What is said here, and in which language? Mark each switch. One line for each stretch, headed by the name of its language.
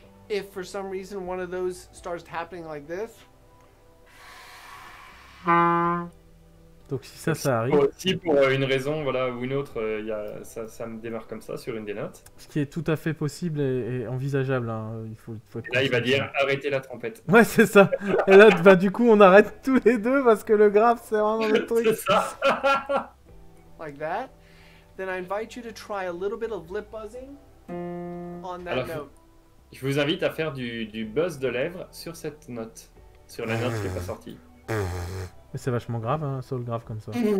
English: If for some reason one of those starts happening like this.
French: Donc si ça, ça arrive. Si pour une raison, voilà, ou une autre, y a, ça me démarre comme ça sur une des notes. Ce qui est tout à fait possible et envisageable. Hein. Il faut et là, il va dire arrêtez la trompette. Ouais, c'est ça. Et là, bah, du coup, on arrête tous les deux parce que le graphe c'est vraiment le truc. C'est ça.
English: Like that. Then I invite you to try a little bit of lip buzzing on that
French: Alors,
English: note.
French: Je vous invite à faire du buzz de lèvres sur cette note, sur la note qui est pas sortie. Mais c'est vachement grave, un sol grave comme ça.